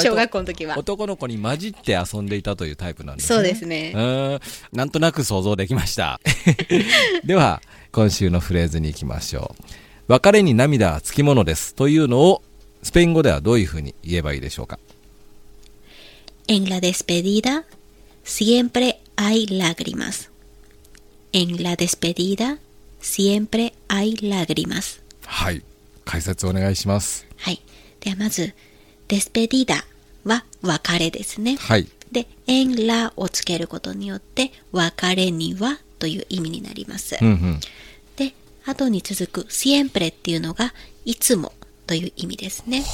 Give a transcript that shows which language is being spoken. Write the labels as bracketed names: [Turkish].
[Japanese] 小学校の時は男の子に混じって遊んでいたというタイプなんですね。そうですね。なんとなく想像できました。では今週のフレーズに行きましょう。別れに涙はつきものですというのをスペイン語ではどういうふうに言えばいいでしょうか。 [Spanish] En la despedida siempre hay lágrimas. En la despedida siempre hay lágrimas. [Japanese] はい、解説お願いします。はい、ではまずデスペディダは別れですね。はい。で、エンラをつけることによって別れにはという意味になります。で、後に続くシエンプレっていうのがいつもという意味ですね。